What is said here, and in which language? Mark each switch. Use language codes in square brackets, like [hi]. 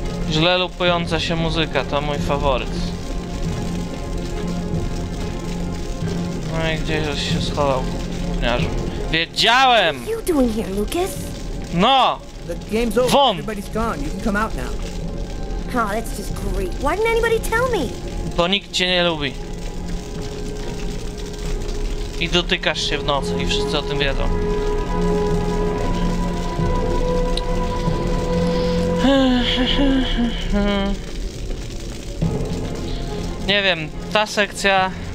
[pl] Źle lupująca się muzyka, to mój faworyt. No i gdzieś już się schował, gówniarzu. Wiedziałem! [en] What are you doing here, Lucas? No! The game's over. Von. Everybody's gone. You can come out now. Oh, that's just great. Why didn't anybody tell me? [pl] Bo nikt cię nie lubi. I dotykasz się w nocy i wszyscy o tym wiedzą. Nie wiem, ta sekcja...